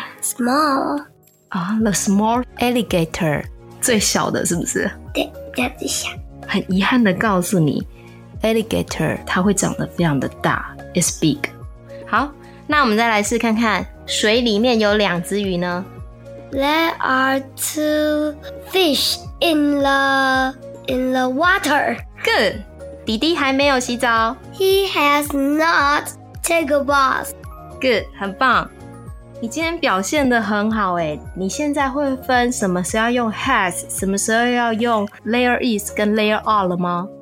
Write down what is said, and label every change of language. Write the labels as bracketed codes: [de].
[en] Small. The small alligator， [zh] 最小的是不是？对，这样子小。很遗憾的告诉你， alligator 它会长得非常的大， [en] it's big。 [zh] 好，那我们再来试看看，水里面有两只鱼呢？ [en] There are two fish in the water. Good， [zh] 弟弟还没有洗澡。 [en] He has not take a bath. Good， [zh] 很棒。你今天表现得很好耶，你现在会分什么时候用 has， 什么时候要用 there is 跟 there are 了吗？